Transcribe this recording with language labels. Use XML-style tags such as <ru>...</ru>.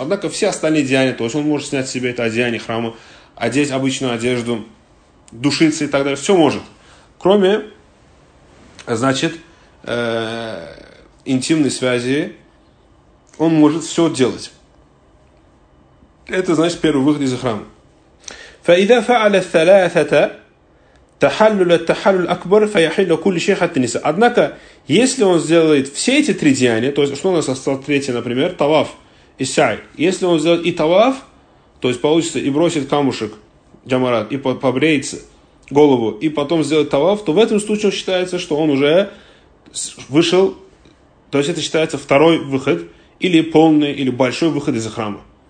<ru>Однако все остальные деяния, то есть он может снять себе это одеяние храма, одеть обычную одежду, душиться и так далее. Все может. Кроме значит, интимной связи, он может все делать. Это значит первый выход из храма.</ru> <ar>فإذا فعل الثلاثة تحلل التحلل الأكبر فيحل كل شيء حتى النساء.</ar> <ru>Однако, если он сделает все эти три деяния, то есть что у нас осталось третье, например, таваф и сай. Если он сделает и таваф, то есть получится и бросит камушек джамарат, и побреется голову, и потом сделает таваф, то в этом случае считается, что он уже вышел, то есть это считается второй выход, или полный, или большой выход из храма.</ru>